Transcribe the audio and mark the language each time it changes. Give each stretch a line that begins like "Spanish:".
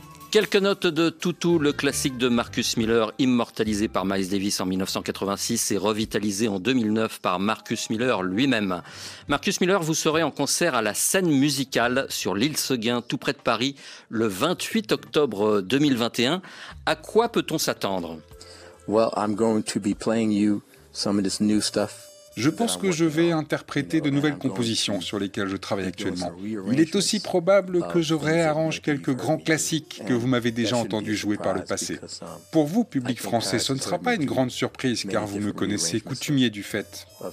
French: Quelques notes de Toutou, le classique de Marcus Miller, immortalisé par Miles Davis en 1986 et revitalisé en 2009 par Marcus Miller lui-même. Marcus Miller, vous serez en concert à la Scène Musicale sur l'île Seguin, tout près de Paris, le 28 octobre 2021. À quoi peut-on s'attendre ?
English: Well, I'm going to be playing you some of this new stuff.
French: Je pense que je vais interpréter de nouvelles compositions sur lesquelles je travaille actuellement. Il est aussi probable que je réarrange quelques grands classiques que vous m'avez déjà entendu jouer par le passé. Pour vous, public français, ce ne sera pas une grande surprise car vous me connaissez coutumier du fait.